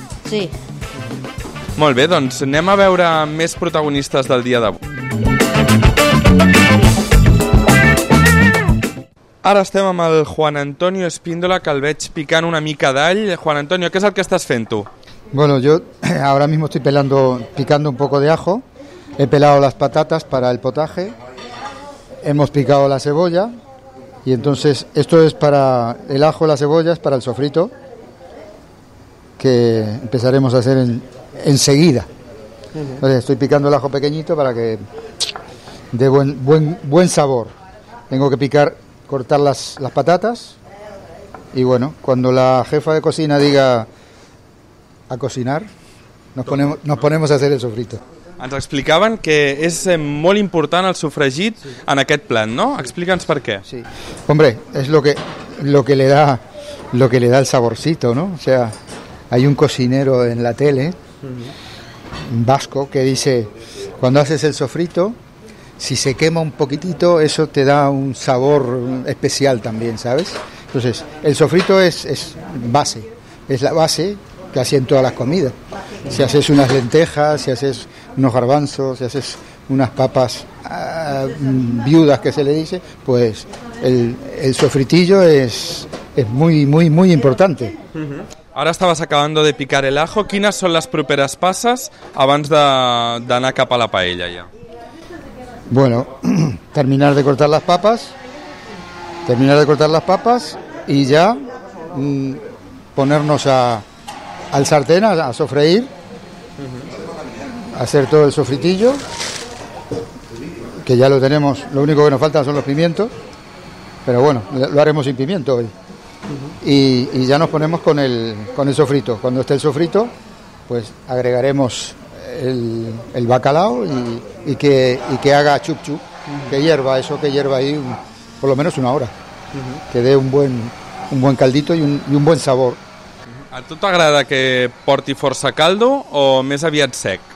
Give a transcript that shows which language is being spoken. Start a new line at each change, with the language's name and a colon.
Catalan: Sí. Molt bé, doncs anem a veure més protagonistes del dia d'avui. Ara estem amb el Juan Antonio Espíndola, que el veig picant una mica d'all. Juan Antonio, què és el que estàs fent tu?
Spanish: Bueno, yo ahora mismo estoy picando un poco de ajo. He pelado las patatas para el potaje. Hemos picado la cebolla. Y entonces esto es para el ajo, la cebolla, es para el sofrito. Que empezaremos a hacer enseguida. Entonces, estoy picando el ajo pequeñito para que dé buen sabor. Tengo que cortar las patatas y bueno, cuando la jefa de cocina diga a cocinar, nos ponemos a hacer el sofrito.
Catalan: Ens explicaven que és molt important el sofregit, sí, en aquest plat, no? Sí. Explica'ns per què. Sí.
Spanish: Hombre, es lo que le da el saborcito, ¿no? O sea, hay un cocinero en la tele vasco que dice, cuando haces el sofrito, si se quema un poquitito, eso te da un sabor especial también, ¿sabes? Entonces, el sofrito es la base que hacen todas las comidas. Si haces unas lentejas, si haces unos garbanzos, si haces unas papas viudas, que se le dice, pues el sofritillo es muy, muy, muy importante.
Catalan: Ara estaves acabant de picar el ajo. Quines són les properes passes abans d'anar cap a la paella ja?
Spanish: Bueno, terminar de cortar las papas. Terminar de cortar las papas y ya ponernos al sartén a sofreír. Hacer todo el sofritillo, que ya lo tenemos. Lo único que nos faltan son los pimientos, pero bueno, lo haremos sin pimiento hoy. Y ya nos ponemos con el sofrito. Cuando esté el sofrito, pues agregaremos el bacalao y que haga chup chup, que hierva ahí por lo menos una hora, que dé un buen caldito y un buen sabor.
Catalan: A tu t'agrada que porti força caldo o més aviat sec?